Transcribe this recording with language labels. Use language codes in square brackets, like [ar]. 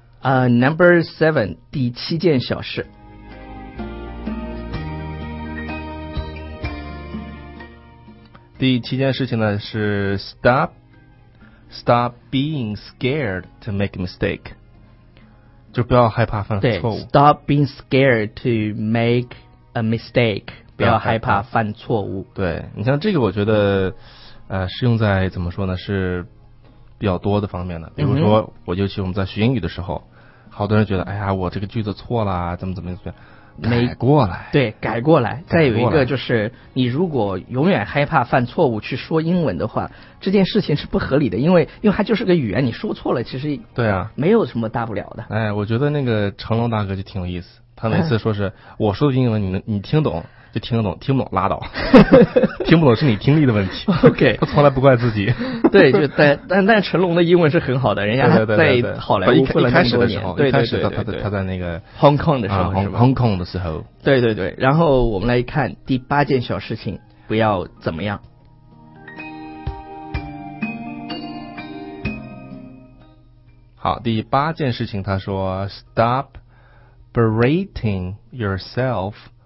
[en] Number 7, [zh] 第七件小事。第七件事情呢是 [en] stop being scared to make a mistake， [zh] 就不要害怕犯错误。 [en] 对， stop being scared to make a mistake， [zh] 不要害怕犯错误。对，你像这个我觉得适用在怎么说呢，是比较多的方面的。比如说我尤其我们在学英语的时候，好多人觉得哎呀我这个句子错了怎么样，没改过来，对，改过来。再有一个就是，你如果永远害怕犯错误去说英文的话，这件事情是不合理的，因为它就是个语言，你说错了，其实对啊，没有什么大不了的。哎，我觉得那个成龙大哥就挺有意思，他每次说是我说的英文，你听懂就听得懂，听不懂拉倒，听不懂是你听力的问题。 [en] OK， [zh] 他从来不怪自己。对，就但成龙的英文是很好的，人家在好莱坞混了那么多年。一开始的时候，他在那个 Hong Kong 的时候， Hong Kong 的时候。对对对，然后我们来看第八件小事情，不要怎么样。好，第八件事情，他说 ： [en] “Stop berating yourself。”